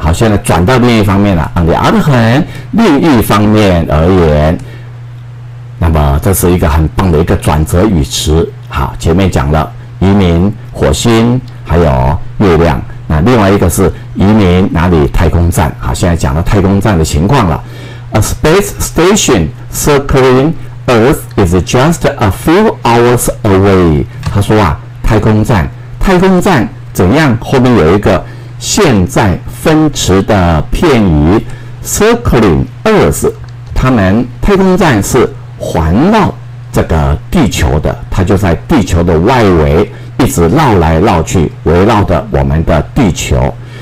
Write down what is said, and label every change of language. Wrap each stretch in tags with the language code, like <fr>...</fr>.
<zh>好，现在转到另一方面了，</zh> <en>on the other hand，</en> <zh>另一方面而言，那么这是一个很棒的一个转折语词。好，前面讲了移民火星还有月亮，那另外一个是移民哪里，太空站。好，现在讲到太空站的情况了。</zh> <en>A space station circling Earth is just a few hours away。</en> <zh>他说啊，太空站怎样，后面有一个现在分词的片语</zh> <en>circling Earth，</en> <zh>他们太空站是环绕这个地球的，它就在地球的外围一直绕来绕去，围绕着我们的地球。</zh>